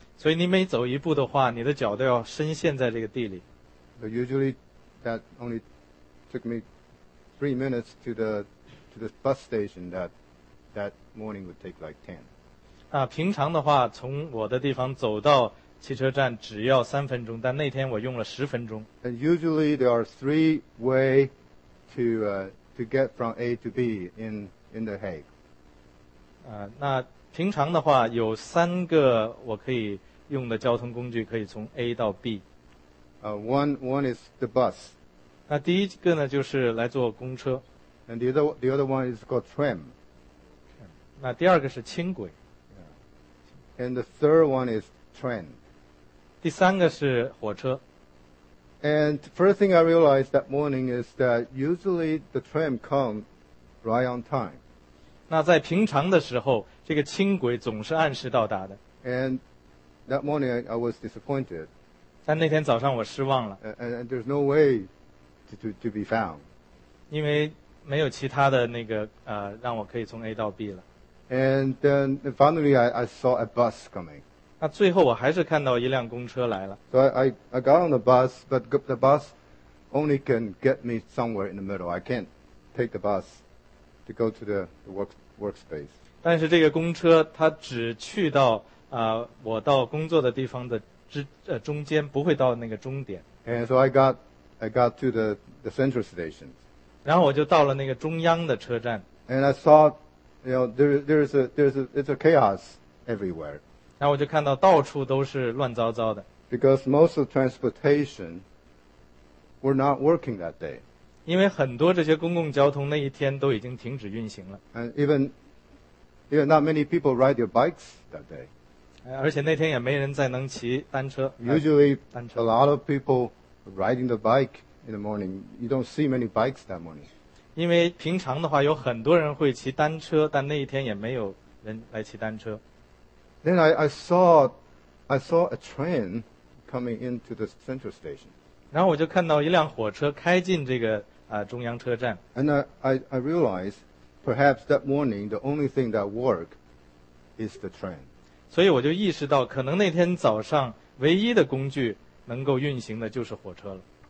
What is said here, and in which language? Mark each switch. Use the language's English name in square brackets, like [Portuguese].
[Chinese] 所以你每走一步的话，你的脚都要深陷在这个地里。 [English] But usually that only took me 3 minutes to the bus station that morning would take like 10. [Chinese] 平常的话从我的地方走到汽车站只要3分钟，但那天我用了10分钟。 [English] And usually there are 3 way to get from A to B in The Hague. [Chinese] 那平常的话有3个我可以用的交通工具可以从 A 到 B。 [English] One is the bus. [Chinese] 那第一个呢，就是来坐公车。 [English] And the other one is called tram. [Chinese] 那第二个是轻轨。 [English] Yeah. And the third one is train. [Chinese] 第三个是火车。 [English] And first thing I realized that morning is that usually the tram come right on time. [Chinese] 那在平常的时候，这个轻轨总是按时到达的。 [English] And that morning I was disappointed. [Chinese] 但那天早上我失望了。 [English] And there's no way to be found. [Chinese] 因为没有其他的那个让我可以从 A 到 B 了。 [English] And then finally I saw a bus coming. [Chinese] 那最后我还是看到一辆公车来了。 [English] So I got on the bus, but the bus only can get me somewhere in the middle. I can't take the bus to go to the workspace. [Chinese] 但是这个公车它只去到我到工作的地方的中间，不会到那个终点。 [English] And so I got to the central station. [Chinese] 然后我就到了那个中央的车站。 [English] And I saw, you know, there's a chaos everywhere. [Chinese] 然后我就看到到处都是乱糟糟的。 [English] Because most of the transportation were not working that day. [Chinese] 因为很多这些公共交通那一天都已经停止运行了。 [English] And even not many people ride their bikes that day. [Chinese] 而且那天也没人再能骑单车。 [English] Usually, a lot of people riding the bike in the morning. You don't see many bikes that morning. [Chinese] 因为平常的话有很多人会骑单车，但那一天也没有人来骑单车。 [English] Then I saw a train coming into the central station. [Chinese] 然后我就看到一辆火车开进这个中央车站。 [English] And I realized perhaps that morning the only thing that worked is the train. [Chinese] 所以我就意识到，可能那天早上唯一的工具能够运行的就是火车了。